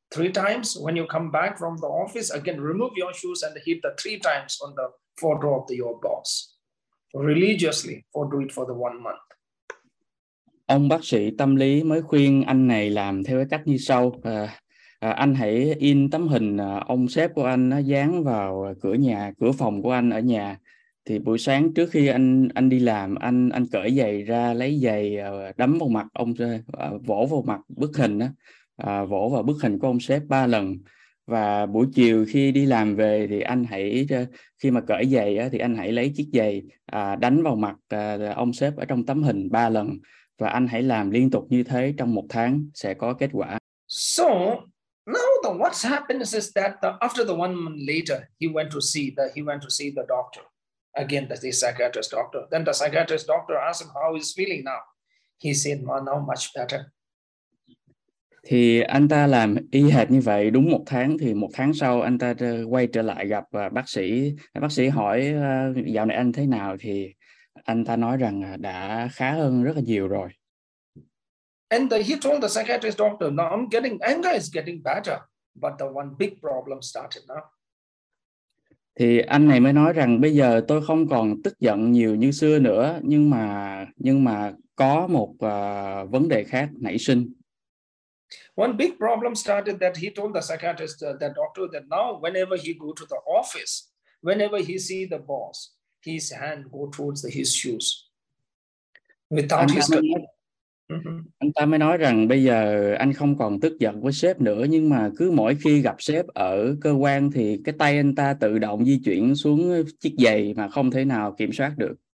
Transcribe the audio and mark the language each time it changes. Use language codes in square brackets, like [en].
[en] 3 times when you come back from the office, again remove your shoes and hit the 3 times on the photo of your boss. Religiously, for do it for the 1 month. [vi] Ông bác sĩ tâm lý mới khuyên anh này làm theo cái cách như sau. Anh hãy in tấm hình ông sếp của anh dán vào cửa nhà, cửa phòng của anh ở nhà. Thì buổi sáng trước khi anh đi làm, anh cởi giày ra, lấy giày đấm vào mặt ông, vỗ vào mặt bức hình đó. Vỗ vào bức hình của ông sếp 3 lần. Và buổi chiều khi đi làm về thì anh hãy, khi mà cởi giày thì anh hãy lấy chiếc giày đánh vào mặt ông sếp ở trong tấm hình 3 lần. Và anh hãy làm liên tục như thế trong 1 tháng, sẽ có kết quả. [en] So now the what's happened is that after the 1 month later he went to see the doctor again, the psychiatrist doctor. Then the psychiatrist doctor asked him how he's feeling now. He said now much better. [vi] Thì anh ta làm y hệt như vậy đúng 1 tháng, thì 1 tháng sau anh ta quay trở lại gặp bác sĩ. Bác sĩ hỏi dạo này anh thế nào, thì anh ta nói rằng đã khá hơn rất là nhiều rồi. [en] And he told the psychiatrist doctor, now I'm getting, anger is getting better, but the one big problem started now. [vi] Thì anh này mới nói rằng bây giờ tôi không còn tức giận nhiều như xưa nữa, nhưng mà có một vấn đề khác nảy sinh. [en] One big problem started that he told the psychiatrist, the doctor, that now whenever he go to the office, whenever he see the boss, his hand go towards his shoes without his control. [vi] Anh ta mới nói rằng bây giờ anh không còn tức giận với sếp nữa, nhưng mà cứ mỗi khi gặp sếp ở cơ quan thì cái tay anh ta tự động di chuyển xuống chiếc giày mà không thể nào kiểm soát được.